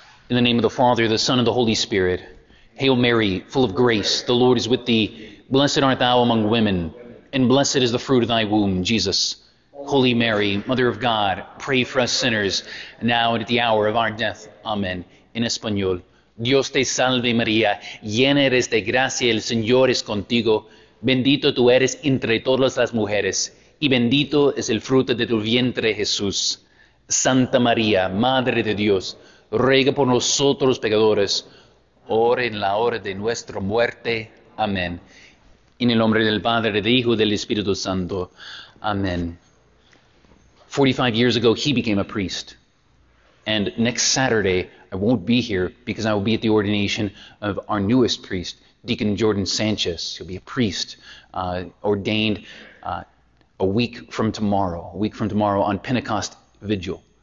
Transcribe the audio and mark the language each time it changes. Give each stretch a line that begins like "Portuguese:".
English: In the name of the Father, the Son, and the Holy Spirit, Hail Mary, full of grace, the Lord is with thee. Blessed art thou among women, and blessed is the fruit of thy womb, Jesus. Holy Mary, Mother of God, pray for us sinners, now and at the hour of our death. Amen. In Espanol,
Spanish: Dios te salve, María. Llena eres de gracia, el Señor es contigo. Bendito tú eres entre todas las mujeres, y bendito es el fruto de tu vientre, Jesús. Santa María, Madre de Dios, ruega por nosotros, pecadores, ahora y en la hora de nuestra muerte. Amén. En el nombre del Padre, del Hijo, del Espíritu Santo. Amén.
English: 45 years ago, he became a priest. And next Saturday, I won't be here because I will be at the ordination of our newest priest, Deacon Jordan Sanchez. He'll be a priest, ordained a week from tomorrow on Pentecost Vigil.